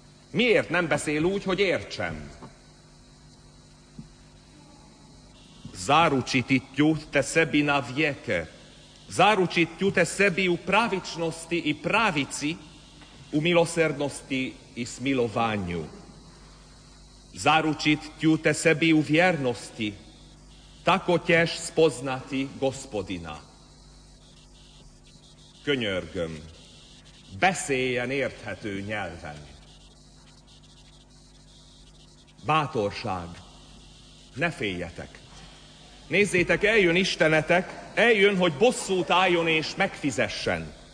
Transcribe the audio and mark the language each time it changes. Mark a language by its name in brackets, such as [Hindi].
[Hungarian] Miért nem beszél úgy, hogy értsem? [Serbian] Zaručitiću te sebi na vijeke. Zaručitiću te sebi u pravičnosti i pravici, u milosrdnosti i smilovanju. Zaručitiću te sebi u vjernosti, tako ćeš spoznati gospodina. [Hungarian] Könyörgöm, beszéljen érthető nyelven. Bátorság, ne féljetek. Nézzétek, eljön Istenetek, eljön, hogy bosszút álljon és megfizessen.